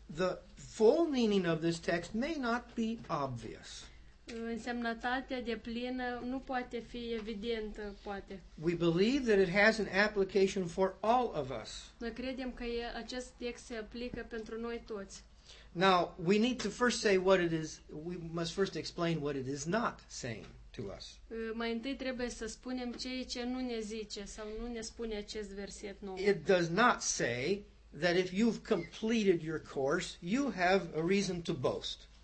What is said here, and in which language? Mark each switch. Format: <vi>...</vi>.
<en>The full meaning of this text may not be obvious.</en> <ro>Însemnătatea deplină nu poate fi evidentă, poate.</ro> <en>We believe that it has an application for all of us.</en> <ro>Noi credem că acest text se aplică pentru noi toți.</ro> <en>Now, we need to first say what it is, we must first explain what it is not saying to us.</en> <ro>Mai întâi trebuie să spunem ce nu ne zice sau nu ne spune acest verset nou.</ro> <en>It does not say that if you've completed your course, you have a reason to boast.</en>